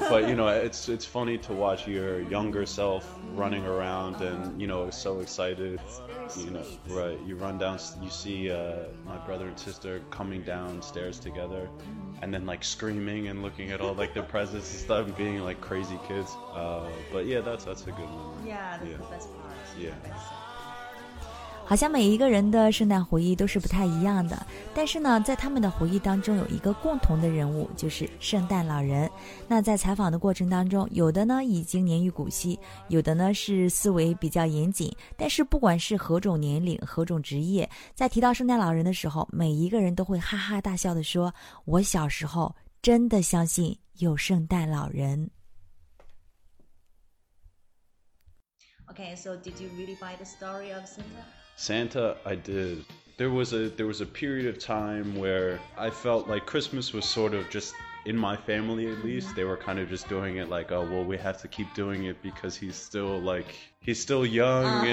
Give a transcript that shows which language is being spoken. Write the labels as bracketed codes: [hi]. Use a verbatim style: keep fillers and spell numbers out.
[en] But, you know, it's, it's funny to watch your younger self running around and, you know, so excited. You know, right. You run down, you see uh, my brother and sister coming downstairs together and then like screaming and looking at all like the presents and stuff and being like crazy kids. Uh, but yeah, that's, that's a good memory. Yeah, that's yeah. the best part. Yeah. Best. [zh] 好像每一个人的圣诞回忆都是不太一样的，但是呢在他们的回忆当中有一个共同的人物，就是圣诞老人。那在采访的过程当中，有的呢已经年逾古稀，有的呢是思维比较严谨，但是不管是何种年龄何种职业，在提到圣诞老人的时候，每一个人都会哈哈大笑地说，我小时候真的相信有圣诞老人。 [en] Okay, so did you really buy the story of Santa? Santa, I did. There was a there was a period of time where I felt like Christmas was sort of just, in my family at least, they were kind of just doing it like, oh well, we have to keep doing it because he's still like he's still young uh-huh.